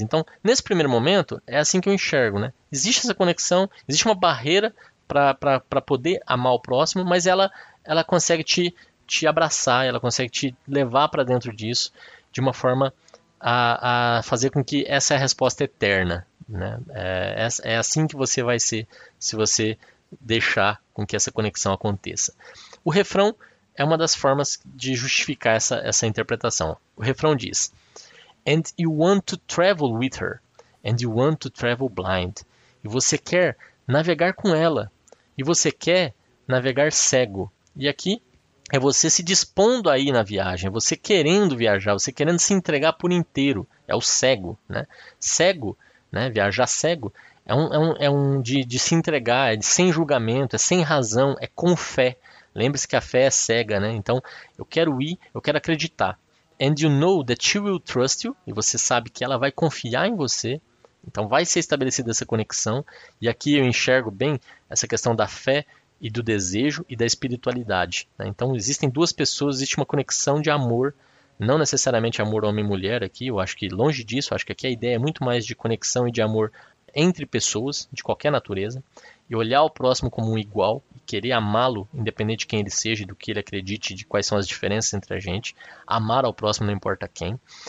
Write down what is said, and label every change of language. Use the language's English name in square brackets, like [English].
[Portuguese] Então, nesse primeiro momento, é assim que eu enxergo, né? Existe essa conexão, existe uma barreira para poder amar o próximo, mas ela consegue te abraçar, ela consegue te levar para dentro disso de uma forma a fazer com que essa é a resposta eterna, né? É assim que você vai ser se você deixar com que essa conexão aconteça. O refrão é uma das formas de justificar essa interpretação. O refrão diz: [English] "And you want to travel with her, and you want to travel blind." [Portuguese] E você quer navegar com ela, e você quer navegar cego. E aqui é você se dispondo a ir na viagem, você querendo viajar, você querendo se entregar por inteiro. É o cego, né? Cego, né? Viajar cego. É um de se entregar, é de sem julgamento, é sem razão, é com fé. Lembre-se que a fé é cega, né? Então, eu quero ir, eu quero acreditar. [English] "And you know that she will trust you." [Portuguese] E você sabe que ela vai confiar em você. Então, vai ser estabelecida essa conexão. E aqui eu enxergo bem essa questão da fé e do desejo e da espiritualidade, né? Então existem duas pessoas, existe uma conexão de amor, não necessariamente amor homem-mulher aqui, eu acho que longe disso, eu acho que aqui a ideia é muito mais de conexão e de amor entre pessoas, de qualquer natureza, e olhar o próximo como um igual, e querer amá-lo, independente de quem ele seja, do que ele acredite, de quais são as diferenças entre a gente, amar ao próximo não importa quem.